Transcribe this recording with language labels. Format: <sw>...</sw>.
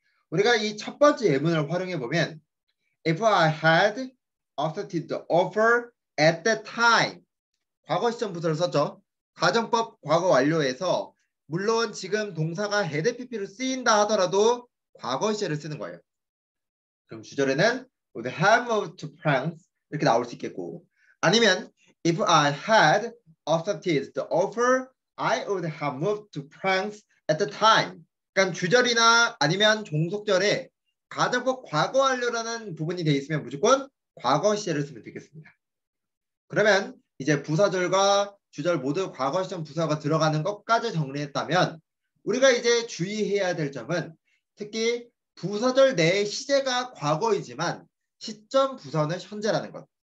<ko>우리가 이 첫 번째 예문을 활용해 보면</ko> <en>If I had accepted the offer at that time,</en> <ko>과거 시점 부사어를 썼죠. 과정법 과거 완료에서 물론 지금 동사가 had pp로 쓰인다 하더라도 과거 시제를 쓰는 거예요. 그럼 주절에는</ko> <en>would have moved to France</en> <ko>이렇게 나올 수 있겠고, 아니면</ko> <en>if I had accepted the offer, I would have moved to France at the time.</en> <ko>그러니까 주절이나 아니면 종속절에 가정법 과거 완료라는 부분이 되어 있으면 무조건 과거 시제를 쓰면 되겠습니다. 그러면 이제 부사절과 주절 모두 과거 시점 부사가 들어가는 것까지 정리했다면 우리가 이제 주의해야 될 점은 특히 부사절 내의 시제가 과거이지만 시점 부사는 현재라는 것.</ko>